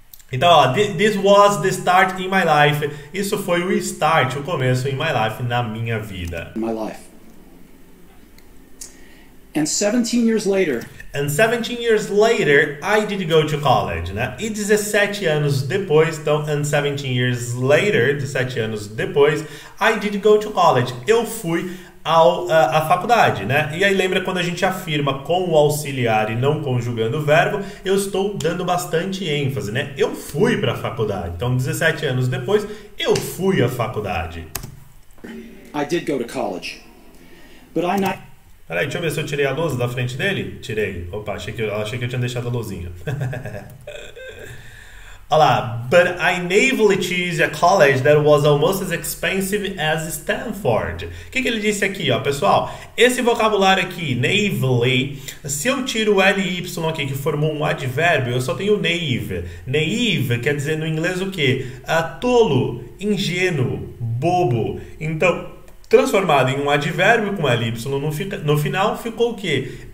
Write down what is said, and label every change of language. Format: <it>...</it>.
<pt>Então, ó,</pt> <en>this was the start in my life.</en> <pt>Isso foi o start, o começo</pt> <en>in my life,</en> <pt>na minha vida.</pt> <en>My life. And 17 years later, And 17 years later, I did go to college, né?</en> <pt>E 17 anos depois, então,</pt> <en>and 17 years later,</en> <pt>17 anos depois,</pt> <en>I did go to college.</en> <pt>Eu fui à faculdade, né? E aí lembra quando a gente afirma com o auxiliar e não conjugando o verbo, eu estou dando bastante ênfase, né? Eu fui para a faculdade. Então, 17 anos depois, eu fui à faculdade.</pt> <en>I did go to college, but I not.</en> <pt>Peraí, deixa eu ver se eu tirei a lousa da frente dele. Tirei. Opa, achei que eu tinha deixado a lousinha. Olha lá.</pt> <en>But I naively chose a college that was almost as expensive as Stanford.</en> <pt>O que ele disse aqui, ó, pessoal? Esse vocabulário aqui, naively, se eu tiro o LY aqui, que formou um advérbio, eu só tenho naive. Naive quer dizer no inglês o quê? Tolo, ingênuo, bobo. Então, transformado em um advérbio com ly no final, ficou o quê?</pt>